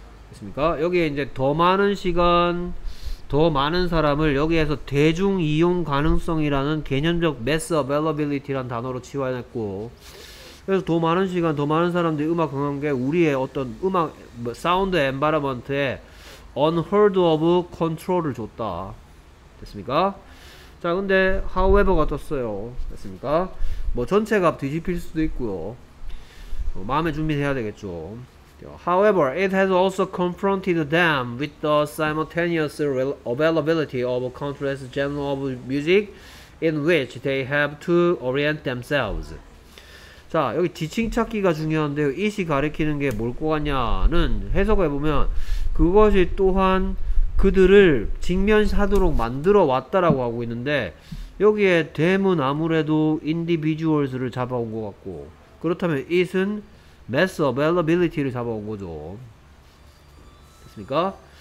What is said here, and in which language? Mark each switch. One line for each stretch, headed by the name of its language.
Korean: 됐습니까? 여기에 이제 더 많은 시간, 더 많은 사람을 여기에서 대중 이용 가능성이라는 개념적 mass availability라는 단어로 치환했고, 그래서 더 많은 시간, 더 많은 사람들이 음악 강한 게 우리의 어떤 음악, 뭐, 사운드 엔바이런먼트에
English: unheard of control
Korean: 을 줬다. 됐습니까? 자, 근데 however가 떴어요. 됐습니까? 뭐 전체가 뒤집힐 수도 있고요. 뭐, 마음의 준비를 해야 되겠죠.
English: However, it has also confronted them with the simultaneous availability of a countless genre of music in which they have to orient themselves.
Korean: 자, 여기 지칭 찾기가 중요한데요. 이시 가리키는 게 뭘 것 같냐는 해석을 해보면 그것이 또한 그들을 직면하도록 만들어 왔다라고 하고 있는데 여기에 them은 아무래도 individuals를 잡아온 것 같고 그렇다면 it은 mass availability를 잡아온 거죠. 됐습니까?